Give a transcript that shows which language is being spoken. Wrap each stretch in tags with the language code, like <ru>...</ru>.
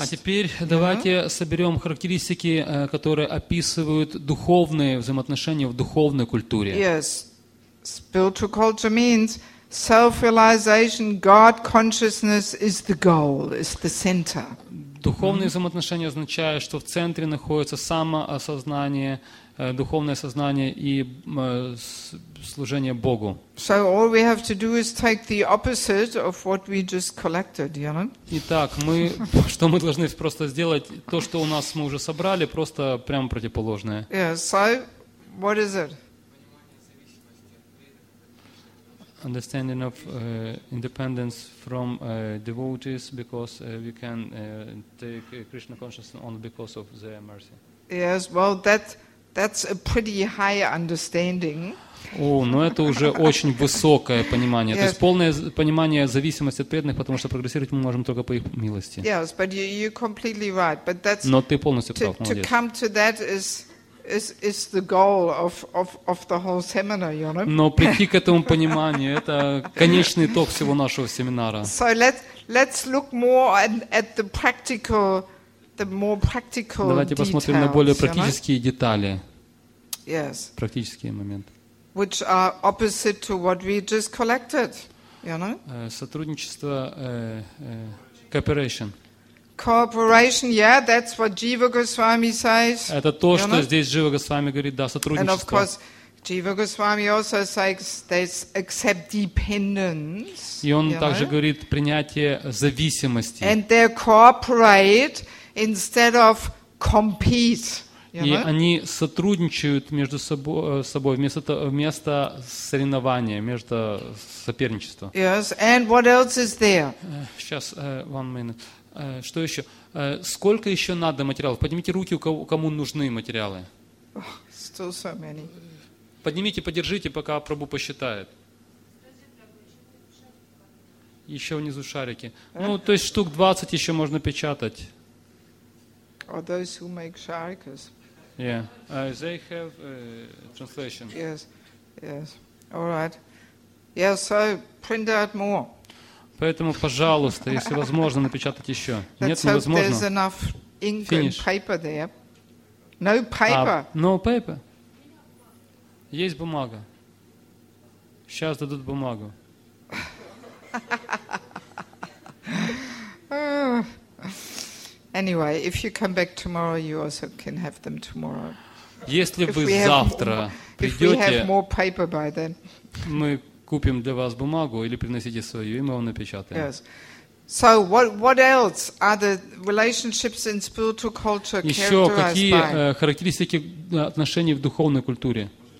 <ru>А теперь давайте соберем характеристики, которые описывают духовные взаимоотношения в духовной культуре.</ru> <en>Yes, spiritual culture means self-realization, God consciousness is the goal, is the center.</en> <ru>Духовные взаимоотношения означают, что в центре находится самоосознание, духовное сознание и служение Богу.</ru> <en>So all we have to do is take the opposite of what we just collected, you know?</en> <ru>Итак, что мы должны просто сделать, то, что у нас мы уже собрали, просто прямо противоположное.</ru> <en>Yeah, so what is it? Understanding of independence from devotees because we can take Krishna consciousness only because of their mercy. Yes, well, that That's a pretty high understanding.</en> <ru>О, но это уже очень высокое понимание. То есть полное понимание зависимости от преданных, потому что прогрессировать мы можем только по их милости.</ru> <en>Yes, but you completely right. But that's.</en> <ru>Но ты полностью прав, молодец.</ru> <en>To come to that is the goal of the whole seminar, you know?</en> <ru>Но прийти к этому пониманию — это конечный итог всего нашего семинара.</ru> <en>So let's look more at the practical, the more practical.</en> <ru>Давайте посмотрим на более практические детали.</ru> <en>Yes.</en> <ru>Практические моменты.</ru> <en>Which are opposite to what we just collected, you know?</en> <ru>Сотрудничество,</ru> <en>cooperation. Cooperation, yeah, that's what Jiva Goswami says.</en> <ru>Это то, что здесь Jiva Goswami говорит, да, сотрудничество.</ru> <en>And of course, Jiva Goswami also says there's accept dependence.</en> <ru>И он также говорит принятие зависимости.</ru> <en>And they cooperate instead of compete.</en> <ru>И они сотрудничают между собой вместо соревнования, вместо соперничества.</ru> <en>Yes, and what else is there?</en> <ru>Сейчас,</ru> <en>one minute.</en> <ru>Что еще? Сколько еще надо материалов? Поднимите руки, кому нужны материалы.</ru> <en>Oh, still so many.</en> <ru>Поднимите, подержите, пока Прабу посчитает. Еще внизу шарики. Ну, то есть штук 20 еще можно печатать.</ru> <en>Are those who make sharikas? Yeah, they have translation. Yes, yes. All right. Yeah, so print out more.</en> <ru>Поэтому, пожалуйста, если возможно, напечатать еще. Нет, невозможно.</ru> <en>There's enough ink and paper there. No paper. No paper.</en> <ru>Есть бумага. Сейчас дадут бумагу.</ru> <en>Anyway, if you come back tomorrow, you also can have them tomorrow.</en> <ru>Если вы завтра придете,</ru> <en>if we have more paper by then,</en> <ru>мы купим для вас бумагу или приносите свою, и мы вам напечатаем.</ru> <en>Yes. So what else are the relationships in spiritual culture characterized by?</en> <ru>Еще какие характеристики отношений в духовной культуре?</ru>